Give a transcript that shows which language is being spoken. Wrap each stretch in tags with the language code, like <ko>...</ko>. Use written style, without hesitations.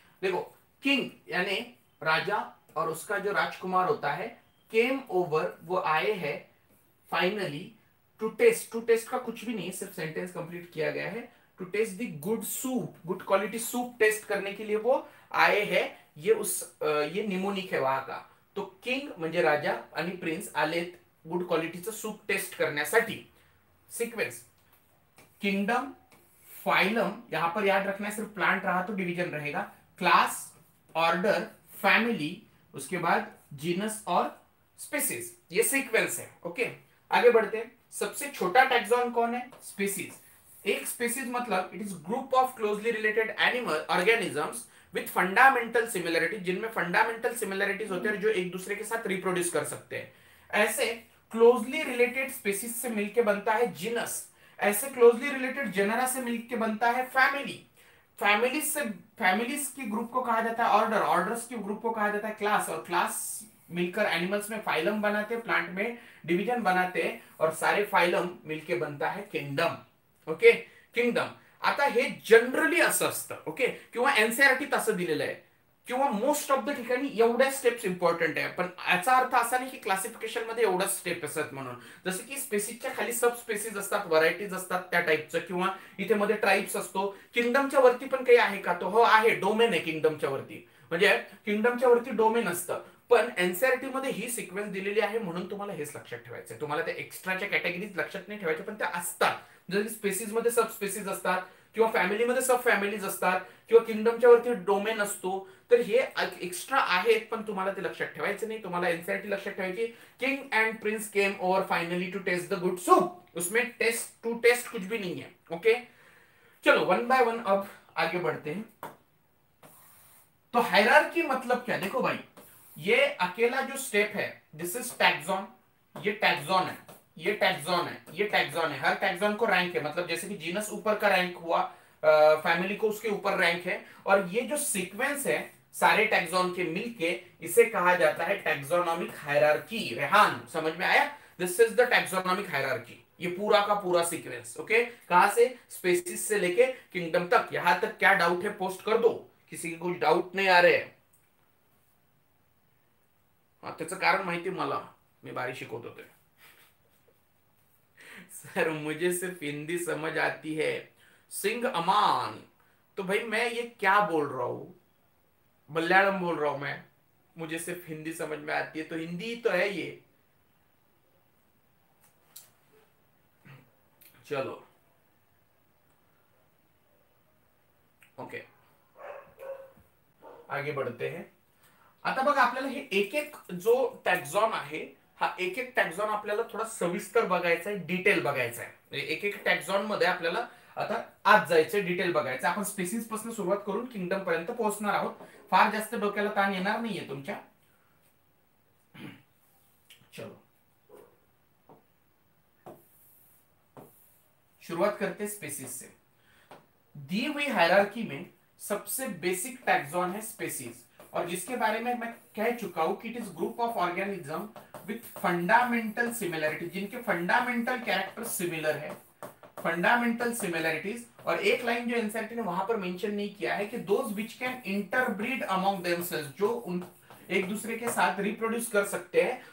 <hi>देखो किंग यानी राजा, और उसका जो राजकुमार होता है</hi> <en>came over,</en> <hi>वो आए हैं</hi> <en>Finally to test.</en> <hi>To test का कुछ भी नहीं, सिर्फ सेंटेंस कंप्लीट किया गया है,</hi> <en>to taste the good soup,</en> <hi>good quality soup test करने के लिए वो आए हैं. ये उस ये निमोनिक है वहां का.</hi> <mr>तो किंग म्हणजे राजा आणि प्रिन्स आलेत गुड क्वालिटीचं सूप टेस्ट करण्यासाठी.</mr> <hi>सिक्वेन्स किंगडम फाइलम, यहां पर याद रखना है सिर्फ प्लांट रहा तो डिवीजन रहेगा, क्लास ऑर्डर फैमिली, उसके बाद जीनस और स्पीसीज. ये सिक्वेंस है. ओके आगे बढ़ते हैं. सबसे छोटा टैक्सॉन कौन है, स्पीसीज. एक स्पीसीज मतलब</hi> <en>it is group of closely related animal organisms with fundamental similarity,</en> <hi>जिनमें फंडामेंटल सिमिलैरिटीज होते हैं, जो एक दूसरे के साथ रिप्रोड्यूस कर सकते हैं. ऐसे क्लोजली रिलेटेड स्पीसीज से मिलके बनता है जीनस, ऐसे क्लोजली रिलेटेड जेनरा से मिलके बनता है फैमिली, फैमिलीज से, फैमिलीज की ग्रुप को कहा जाता है ऑर्डर, ऑर्डर्स की ग्रुप को कहा जाता है क्लास, और क्लास मिलकर एनिमल्स में फाइलम बनाते हैं, प्लांट में डिवीजन बनाते हैं, और सारे फाइलम मिलके बनता है किंगडम.</hi> <mr>ओके किंगडम आता हे जनरली असं असतं. ओके किंवा एनसीईआरटी तसं दिलेलं आहे, किंवा मोस्ट ऑफ द ठिकाणी एवढ्या स्टेप्स इम्पॉर्टंट आहे, पण याचा अर्थ असा नाही की क्लासिफिकेशन मध्ये एवढ्या स्टेप असतात म्हणून. जसं की स्पेसिसच्या खाली सब स्पेसिस असतात, व्हरायटीज असतात त्या टाईपचं, किंवा इथे मध्ये ट्राईब्स असतो. किंगडमच्या वरती पण काही आहे का, तो हो आहे, डोमेन आहे किंगडमच्या वरती, म्हणजे किंगडमच्या वरती डोमेन असतं, पण एनसीईआरटी मध्ये ही सिक्वेन्स दिलेली आहे म्हणून तुम्हाला हेच लक्षात ठेवायचं आहे. तुम्हाला त्या एक्स्ट्राच्या कॅटेगरीज लक्षात नाही ठेवायचे, पण त्या असतात. जसं की स्पेसिस मध्ये सब स्पेसिस असतात, किंवा किंवा फॅमिलीमध्ये सब फॅमिलीज असतात किंवा किंगडमच्या वरती डोमेन असतो, तर हे एक्स्ट्रा आहेत पण तुम्हाला ते लक्षात ठेवायचं नाही. तुम्हाला एनसीईआरटी लक्षात ठेवायची,</mr> <en>king and prince came over finally to taste the good soup,</en> <hi>उसमें टेस्ट टू टेस्ट कुछ भी नहीं है. ओके चलो वन बाय वन अब आगे बढ़ते हैं. तो हायरार्की मतलब क्या, देखो भाई ये अकेला जो स्टेप है</hi> <en>this is taxon,</en> <hi>ये टैक्सॉन है, ये टैक्सॉन है, ये टैक्सॉन है, हर टैक्सॉन को रैंक है. मतलब जैसे कि जीनस ऊपर का रैंक हुआ, फैमिली को उसके ऊपर रैंक है, और ये जो सीक्वेंस है सारे टैक्सॉन के मिलके इसे कहा जाता है टैक्सोनॉमिक हायरार्की. रेहान समझ में आया,</hi> <en>this is the taxonomic hierarchy,</en> <hi>ये पूरा का पूरा सीक्वेंस. ओके कहां से, स्पेसिस से लेके किंगडम तक. यहां तक क्या डाउट है पोस्ट कर दो, किसी को डाउट नहीं आ रहे है.</hi> <mr>त्याचं कारण माहिती मला, मी बारी शिकवत होते.</mr> <hi>सर मुझे सिर्फ हिंदी समझ आती है, सिंह अमान. तो भाई मैं ये क्या बोल रहा हूं, मलयालम बोल रहा हूं मैं, मुझे सिर्फ हिंदी समझ में आती है, तो हिंदी तो है ये. चलो ओके आगे बढ़ते हैं.</hi> <mr>आता बघा आपल्याला हे एक एक जो टॅक्झॉन आहे, हा एक एक टॅक्झॉन आपल्याला थोडा सविस्तर बघायचा आहे, डिटेल बघायचा आहे. एक एक टॅक्झॉन मध्ये आपल्याला आता आज जायचं, डिटेल बघायचं. आपण स्पेसिस पासून सुरुवात करून किंगडम पर्यंत पोहोचणार आहोत, फार जास्त डोक्याला ताण येणार नाहीये तुमच्या.</mr> <hi>चलो सुरुवात करते स्पेसिस से. दी हुई हायरार्की में सबसे बेसिक टॅक्झॉन है स्पेसिस, और जिसके बारे में मैं कह चुका हूं कि</hi> <en>it is group of organism with fundamental similarity,</en> <hi>जिनके फंडामेंटल कैरेक्टर सिमिलर है, फंडामेंटल सिमिलरिटीज. और एक लाइन जो एनसीईआरटी ने वहां पर मेंशन नहीं किया है कि</hi> <en>those which can interbreed among themselves,</en> <hi>जो उन एक दूसरे के साथ रिप्रोड्यूस कर सकते हैं.</hi>